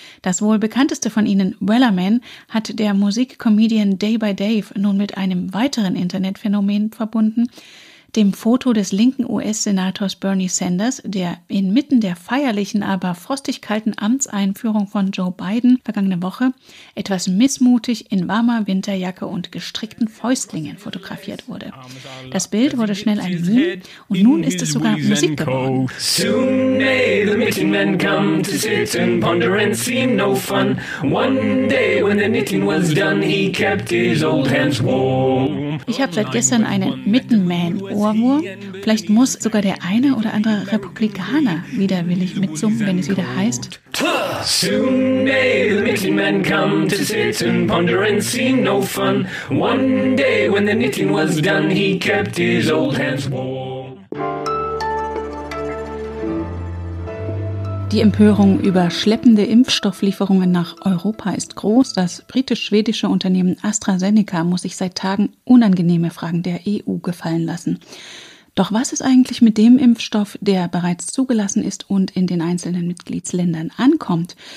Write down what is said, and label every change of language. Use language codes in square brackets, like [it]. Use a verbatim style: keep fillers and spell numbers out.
[de] Das wohl bekannteste von ihnen, Wellerman, hat der Musikcomedian Day by Dave nun mit einem weiteren Internetphänomen verbunden, dem Foto des linken U S-Senators Bernie Sanders, der inmitten der feierlichen, aber frostig kalten Amtseinführung von Joe Biden vergangene Woche etwas missmutig in warmer Winterjacke und gestrickten Fäustlingen fotografiert wurde. Das Bild wurde schnell ein Meme und nun ist es sogar Musik geworden. [en] Soon may the knitting men come to sit and ponder and seem no fun. One day when the knitting was done, he kept his old hands warm. [de] Ich habe seit gestern einen Mittenman-Ohrwurm. Vielleicht muss sogar der eine oder andere Republikaner widerwillig mitsummen, wenn es wieder heißt. [en] Soon may the knitting men come to sit and ponder and seem no fun. One day when the knitting was done, he kept his old hands warm. [de] Die Empörung über schleppende Impfstofflieferungen nach Europa ist groß. Das britisch-schwedische Unternehmen AstraZeneca muss sich seit Tagen unangenehme Fragen der E U gefallen lassen. Doch was ist eigentlich mit dem Impfstoff, der bereits zugelassen ist und in den einzelnen Mitgliedsländern ankommt?